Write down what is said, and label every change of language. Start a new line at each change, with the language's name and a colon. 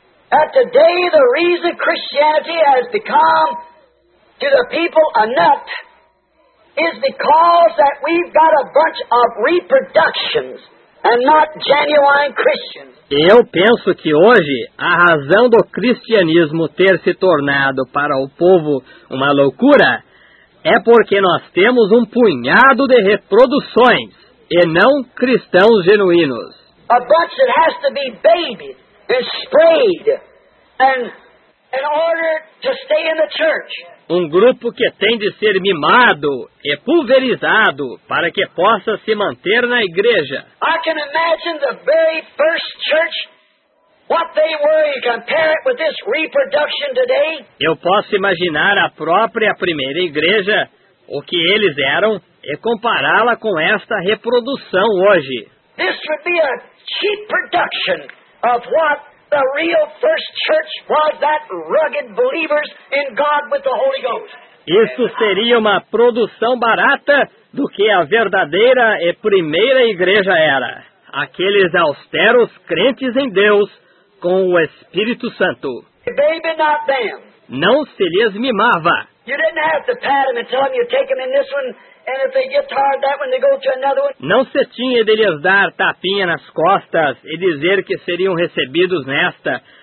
English: That today the reason Christianity has become to the people a nut is because that we've got a bunch of reproductions and not genuine Christians.
Portuguese: Eu penso que hoje a razão do cristianismo ter se tornado para o povo uma loucura é porque nós temos um punhado de reproduções e não cristãos genuínos.
English: A bunch that has to be babied. Is sprayed and in order to stay in the church.
Portuguese: Um grupo que tem de ser mimado e pulverizado para que possa se manter na igreja.
English: I can imagine the very first church, what they were, you compare it with this reproduction today.
Portuguese: Eu posso imaginar a própria primeira igreja, o que eles eram, e compará-la com esta reprodução hoje.
English: This would be a cheap production. Of what the real first church was, that rugged believers in God with the Holy Ghost.
Portuguese: Isso seria uma produção barata do que a verdadeira e primeira igreja era. Aqueles austeros crentes em Deus com o Espírito Santo.
English: The baby, not them.
Portuguese: Não se lhes mimava.
English: You didn't have to pat them and tell them you take them in this one, and if they get tired that one, they go to another one.
Portuguese: Não se tinha de lhes dar tapinha nas costas e dizer que seriam recebidos nesta.